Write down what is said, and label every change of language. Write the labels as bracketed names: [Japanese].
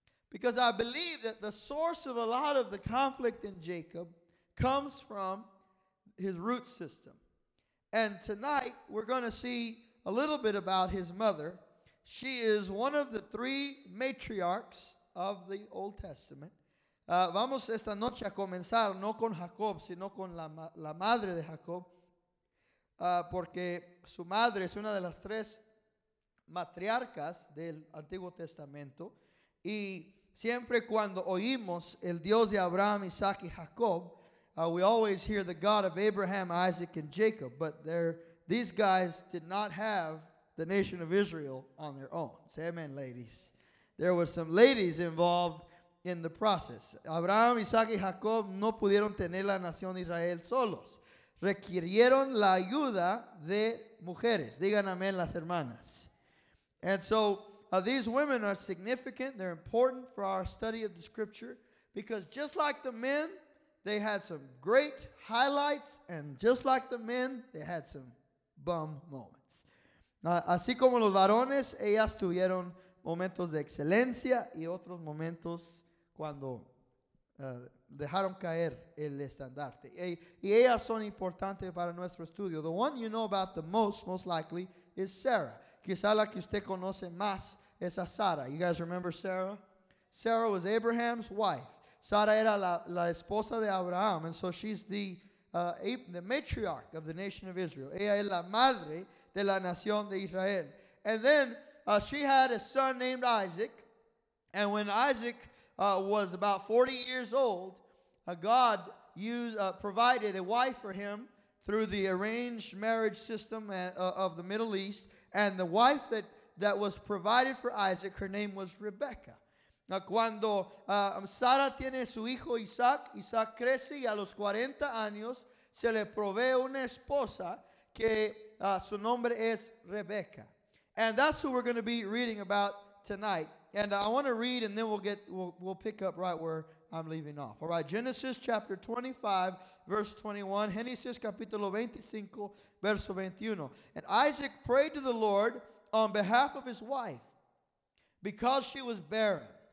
[English] Because I believe that the source of a lot of the conflict in Jacob comes from his root system. And tonight we're going to see a little bit about his mother. She is one of the three matriarchs of the Old Testament. [Spanish] Vamos esta noche a comenzar no con Jacob, sino con la madre de Jacob, porque su madre es una de las tres matriarcas del Antiguo Testamento. Y siempre cuando oímos el Dios de Abraham, Isaac y Jacob, [English] we always hear the God of Abraham, Isaac, and Jacob, but these guys did not have the nation of Israel on their own. Say amen, ladies. There were some ladies involved in the process. [Spanish] Abraham, Isaac, y Jacob no pudieron tener la nación de Israel solos. Requirieron la ayuda de mujeres. Digan amén las hermanas. [English] And so these women are significant. They're important for our study of the scripture, because just like the men, they had some great highlights, and just like the men, they had some bum moments. [Spanish] Así como los varones, ellas tuvieron momentos de excelencia y otros momentos cuando dejaron caer el estandarte. Y ellas son importantes para nuestro estudio. [English] The one you know about the most likely, is Sarah. [Spanish] Quizá la que usted conoce más es a Sarah. [English] You guys remember Sarah? Sarah was Abraham's wife. [Spanish] Sarah era la esposa de Abraham, [English] and so she's the matriarch of the nation of Israel. [Spanish] Ella es la madre de la nación de Israel. [English] And then she had a son named Isaac, and when Isaac was about 40 years old, God provided a wife for him through the arranged marriage system of the Middle East, and the wife that was provided for Isaac, her name was Rebekah. [Spanish] Cuando Sara tiene su hijo Isaac, Isaac crece y a los 40 años se le provee una esposa que su nombre es Rebeca. [English] And that's who we're going to be reading about tonight. And I want to read, and then we'll pick up right where I'm leaving off. All right, Genesis chapter 25, verse 21. [Spanish] Genesis capítulo 25, verso 21. [English] And Isaac prayed to the Lord on behalf of his wife because she was barren.